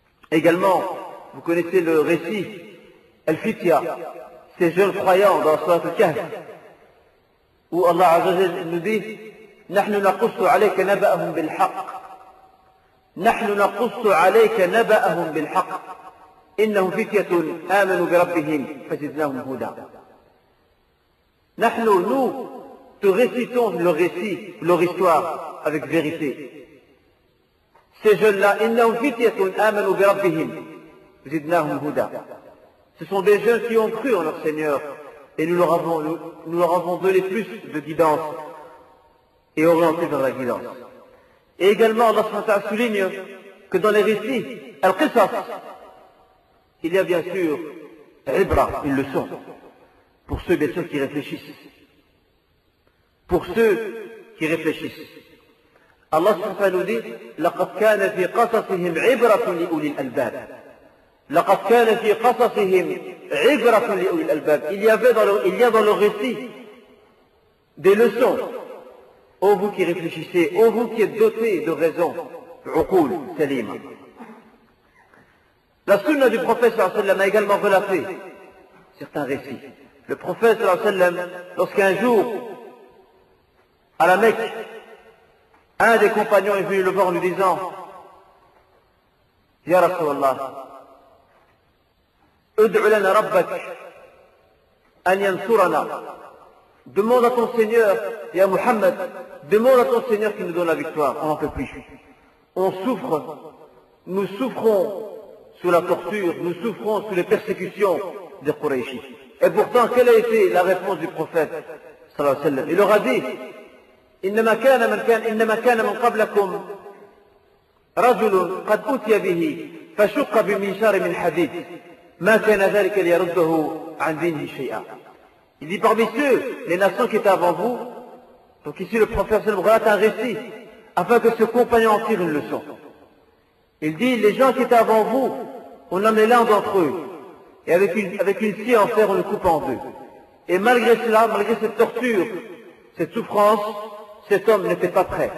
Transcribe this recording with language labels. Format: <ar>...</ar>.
<fr>Également, vous connaissez le récit Al-Fitya, ces jeunes croyants dans Surat Al-Kahf, où Allah Azza wa Jalla nous dit «</fr> <ar>نَحْنُ نَقُصُّ عَلَيْكَ نَبَأَهُمْ بِالْحَقِّ نحن نقص عليك نبأهم بالحق إنهم فتية آمنوا بربهم فزدناهم هدى نحن</ar> <fr>nous te récitons leur récit, leur histoire avec vérité. Ces jeunes-là,</fr> <ar>إنهم فتية آمنوا بربهم زدناهم هدى.</ar> <fr>Ce sont des jeunes qui ont cru en leur Seigneur et nous leur avons donné plus de guidance et orienté vers la guidance. Et également, Allah subhanahu wa ta'ala souligne que dans les récits, al-qisas, il y a bien sûr ibra, une leçon, pour ceux bien sûr qui réfléchissent. Pour ceux qui réfléchissent.</fr> <ar>Allah subhanahu wa ta'ala dit لقد كان في قصصهم عبرة لأولي الألباب. لقد كان في قصصهم عبرة لأولي الألباب.</ar> <fr>Il y a dans le récit des leçons. Ô vous qui réfléchissez, ô vous qui êtes dotés de raison,</fr> <ar>عقول سليمة.</ar> <fr>La sunna du prophète sallallahu alayhi wa sallam a également relaté certains récits. Le prophète sallallahu alayhi wa sallam, lorsqu'un jour, à la Mecque, un des compagnons est venu le voir en lui disant</fr> <ar>Ya Rasulallah, ud'u lana rabbak an yansurana.</ar> <fr>Demande à ton Seigneur, ya Muhammad, demande à ton Seigneur qu'il nous donne la victoire, on n'en peut plus. On souffre, nous souffrons sous la torture, nous souffrons sous les persécutions des Quraishis. Et pourtant, quelle a été la réponse du prophète sallallahu alayhi wa sallam? Il leur a dit</fr> <ar>إنما كان من قبلكم رجل قد أتي به فشق بمنشار من حديد ما كان ذلك ليرده عن دينه شيئا.</ar> <fr>Il dit parmi ceux, les nations qui étaient avant vous, donc ici le prophète sallallahu alayhi wa sallam relate un récit afin que ce compagnon en tire une leçon. Il dit, les gens qui étaient avant vous, on en est l'un d'entre eux, et avec une scie en fer, on le coupe en deux. Et malgré cela, malgré cette torture, cette souffrance, cet homme n'était pas prêt.</fr>